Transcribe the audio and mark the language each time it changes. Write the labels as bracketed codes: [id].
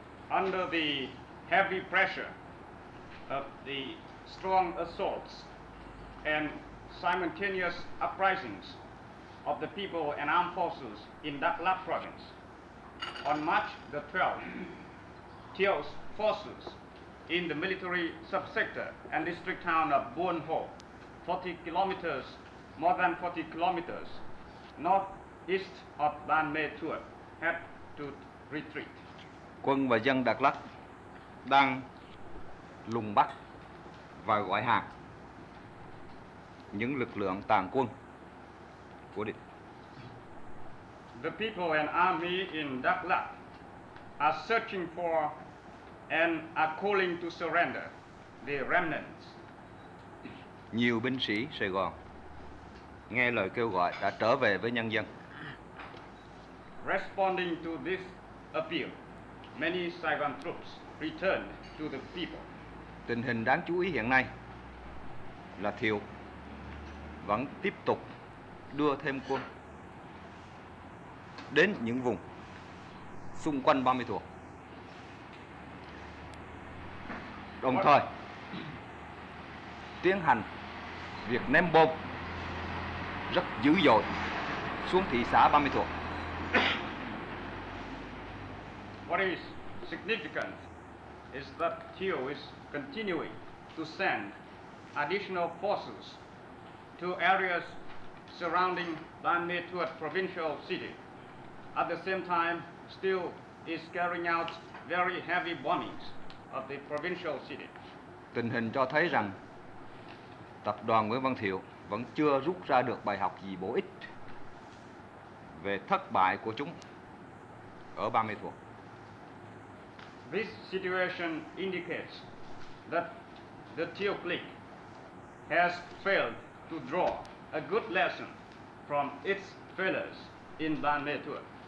[en] Under the heavy pressure of the strong assaults and simultaneous uprisings of the people and armed forces in Đắk Lắk province, on March the 12th, Thiệu's forces in the military subsector and district town of Buôn Hồ, 40 kilometers, more than 40 kilometers, northeast of Ban Mê Thuột, had to retreat. [vi] Quân và dân Đắk Lắk đang lùng bắt và gọi hàng những lực lượng tàn quân của địch. [en] The people and army in Đắk Lắk are searching for and are calling to surrender the remnants. [vi] Nhiều binh sĩ Sài Gòn nghe lời kêu gọi đã trở về với nhân dân. [en] Responding to this appeal, many Saigon troops returned to the people. [vi] Tình hình đáng chú ý hiện nay là Thiệu vẫn tiếp tục đưa thêm quân đến những vùng xung quanh Ba Mươi Thuột. Đồng thời tiến hành việc ném bom rất dữ dội xuống thị xã Ba Mươi Thuột. [en] What is significant is that Thieu is continuing to send additional forces to areas surrounding Ban Mê Thuột provincial city. At the same time, still is carrying out very heavy bombings of the provincial city. [vi] Tình hình cho thấy rằng tập đoàn Nguyễn Văn Thiệu vẫn chưa rút ra được bài học gì bổ ích về thất bại của chúng ở Ba Mê Thuột. [en] This situation indicates that the Thieu clique has failed to draw a good lesson from its failures in Ban Mê Thuột.